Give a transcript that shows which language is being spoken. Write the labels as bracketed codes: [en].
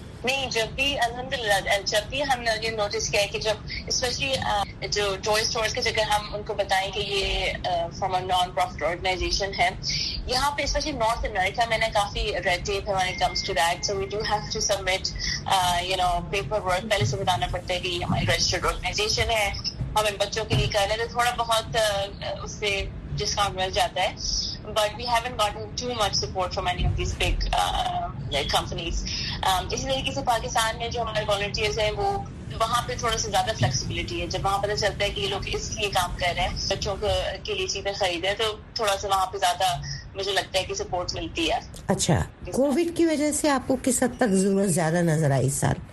[ur] نہیں, جب بھی الحمد للہ جب بھی ہم نے یہ نوٹس کیا ہے کہ جب اسپیشلی جو ٹوائے اسٹورز کے جگہ ہم ان کو بتائیں کہ یہ [en] from a non profit organisation [ur] ہے, یہاں پہ اسپیشلی نارتھ امیریکا میں نے کافی ریڈ ٹیپ ہے [en] when it comes to that, so we do have to submit you know paper work, [ur] پہلے سے بتانا پڑتا ہے کہ یہ ہماری رجسٹرڈ آرگنائزیشن ہے, ہم ان بچوں کے لیے کر رہے ہیں, تو تھوڑا بہت اس سے ڈسکاؤنٹ مل جاتا ہے. [en] But we haven't gotten too much support from any of these big companies. [ur] اسی طریقے سے پاکستان میں جو ہمارے والنٹیئرز ہیں وہ وہاں پہ تھوڑا سا زیادہ فلیکسیبلٹی ہے, جب وہاں پتہ چلتا ہے کہ یہ لوگ اس لیے کام کر رہے ہیں, بچوں کے لیے چیزیں خریدے, تو تھوڑا سا وہاں پہ زیادہ مجھے لگتا ہے کہ سپورٹ ملتی ہے. اچھا, کووڈ کی وجہ سے آپ کو کس حد تک ضرورت زیادہ نظر آئی اس سال؟